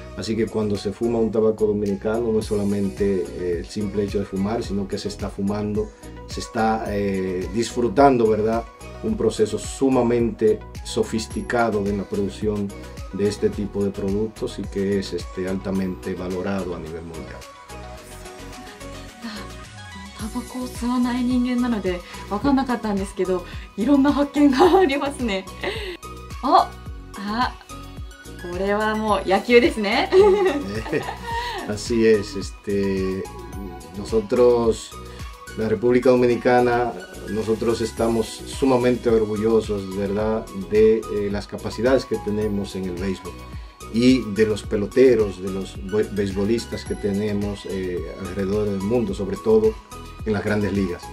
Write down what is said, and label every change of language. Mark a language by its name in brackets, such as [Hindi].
[Spanish] Así que cuando se fuma un tabaco dominicano, no es solamente el simple hecho de fumar, sino que se está fumando, se está disfrutando, ¿verdad?, un proceso sumamente sofisticado en la producción de este tipo de productos y que es altamente valorado a nivel mundial. [Japanese] タバコを吸わない人間なので分かんなかったんですけど、いろんな発見がありますね。あ、あ、これはもう野球ですね。 [Spanish] Así es, nosotros, la República Dominicana, nosotros estamos sumamente orgullosos, ¿verdad?, de las capacidades que tenemos en el béisbol y de los peloteros, de los beisbolistas que tenemos alrededor del mundo, sobre todo en las grandes ligas.